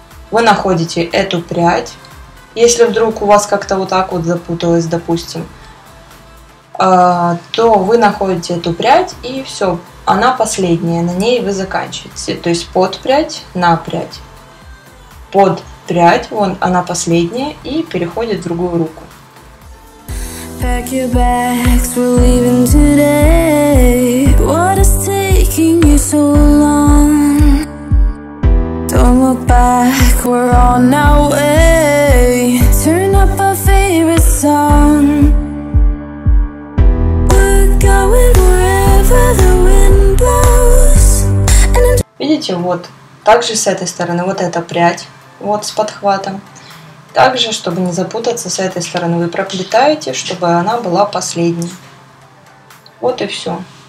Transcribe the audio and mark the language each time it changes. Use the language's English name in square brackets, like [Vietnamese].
[Russian] Вы находите эту прядь. Если вдруг у вас как-то вот так вот запуталось, допустим, то вы находите эту прядь, и все, она последняя, на ней вы заканчиваете. То есть под прядь, на прядь. Под прядь, вон она последняя, и переходит в другую руку. [English] Pack your bags, we're leaving today. What is taking you so long? Don't look back, we're on our way. Turn up our favorite song. We're going wherever the wind blows. [Russian] Видите, вот так же с этой стороны, вот эта прядь, вот с подхватом. Также, чтобы не запутаться, с этой стороны вы проплетаете, чтобы она была последней. Вот и все.